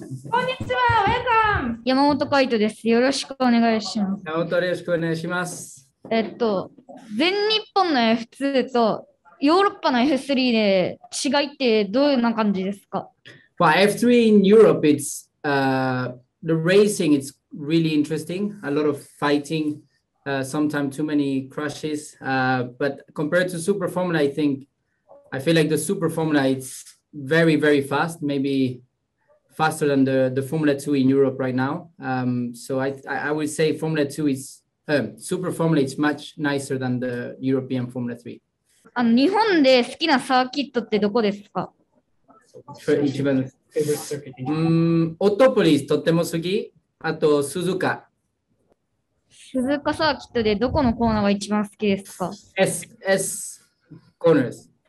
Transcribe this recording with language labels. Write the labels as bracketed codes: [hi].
[ja] こんにちは、ウェルカム。山本海人です。よろしくお願いします。山本、よろしくお願いします。全日本の F2 とヨーロッパの F3 で違いってどういう感じですか？ [en] Well, F3 in Europe, it's, the racing is really interesting. A lot of fighting, sometimes too many crashes. But compared to Super Formula, I feel like the Super Formula is very, very fast, maybe faster than the Formula 2 in Europe right now. So I would say Formula 2 is... Super Formula is much nicer than the European Formula 3. [ja] あの、日本で好きなサーキットってどこですか？一番、オートポリスとっても好き。あと、鈴鹿。鈴鹿サーキットでどこのコーナーが一番好きですか？ S コーナーです。